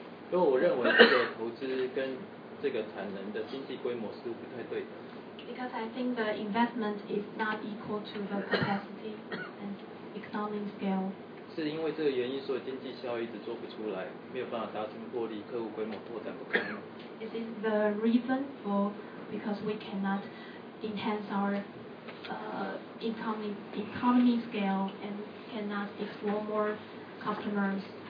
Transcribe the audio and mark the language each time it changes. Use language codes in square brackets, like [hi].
[zh] 因为我认为这个投资跟这个产能的经济规模似乎不太对等。 [en] Because I think the investment is not equal to the capacity and economic scale. [zh] 是因为这个原因，所以经济效益只做不出来，没有办法达成获利，客户规模拓展不堪吗？ [en] Is it the reason for because we cannot enhance our economy scale and cannot explore more customers?